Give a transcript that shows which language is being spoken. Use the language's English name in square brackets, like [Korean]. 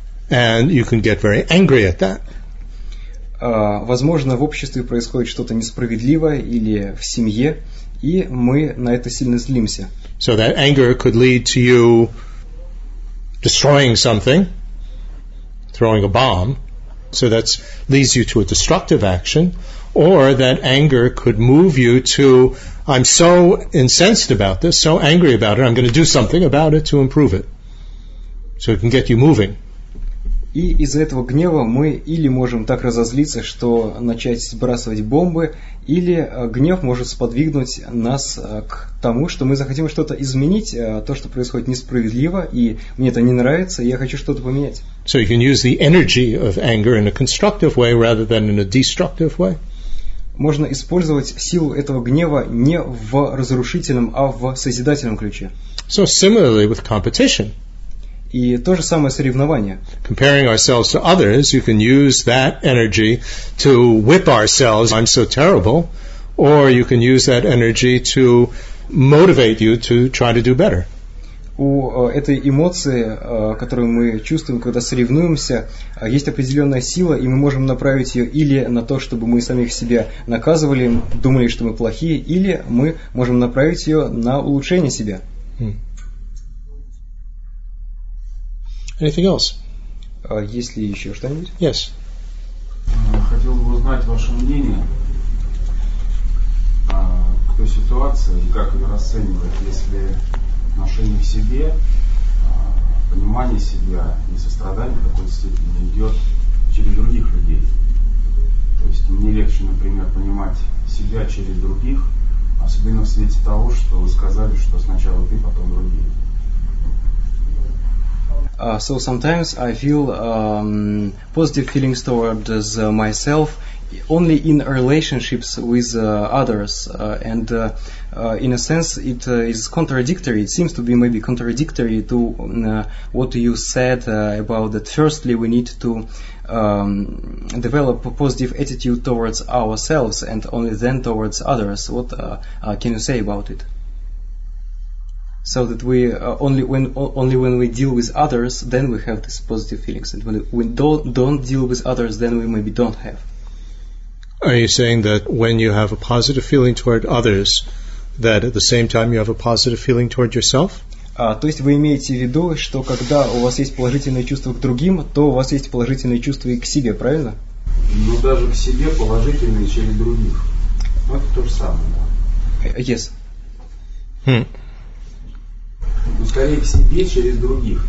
[English] And you can get very angry at that. [Russian] Возможно, в обществе происходит что-то несправедливое или в семье, и мы на это сильно злимся. [English] So that anger could lead to you destroying something, throwing a bomb. So that leads you to a destructive action, or that anger could move you to, I'm so incensed about this, so angry about it, I'm going to do something about it to improve it. So it can get you moving. [Russian] И из-за этого гнева мы или можем так разозлиться, что начать сбрасывать бомбы, или гнев может сподвигнуть нас к тому, что мы захотим что-то изменить, то, что происходит несправедливо, и мне это не нравится, и я хочу что-то поменять. [English] So you can use the energy of anger in a constructive way rather than in a destructive way. [Russian] Можно использовать силу этого гнева не в разрушительном, а в созидательном ключе. [English] So similarly with competition. [Russian] И то же самое соревнование. [English] Comparing ourselves to others, you can use that energy to whip ourselves, I'm so terrible, or you can use that energy to motivate you to try to do better. [Russian] У этой эмоции, которую мы чувствуем, когда соревнуемся, есть определенная сила, и мы можем направить ее или на то, чтобы мы самих себя наказывали, думали, что мы плохие, или мы можем направить ее на улучшение себя. [English] Anything else? [Russian] Есть ли еще что-нибудь? [English] Yes. [Russian] Хотел бы узнать ваше мнение сложная ситуация, и как ее расценивать, если отношение к себе, понимание себя и сострадание в какой-то степени идет через других людей. То есть мне легче, например, понимать себя через других, особенно в свете того, что вы сказали, что сначала ты, потом другие. [English] So sometimes I feel positive feelings towards myself only in relationships with others, and in a sense it is contradictory. It seems to be maybe contradictory to what you said about that. Firstly, we need to develop a positive attitude towards ourselves, and only then towards others. What can you say about it? So that we only when we deal with others, then we have these positive feelings, and when we don't deal with others, then we maybe don't have. Are you saying that when you have a positive feeling toward others, that at the same time you have a positive feeling toward yourself? [Russian] То есть вы имеете в виду, что когда у вас есть положительные чувства к другим, то у вас есть положительные чувства и к себе, правильно? Ну даже к себе положительные через других. Это то же самое, да? [English] Yes. [Russian] Ну, скорее к себе через других.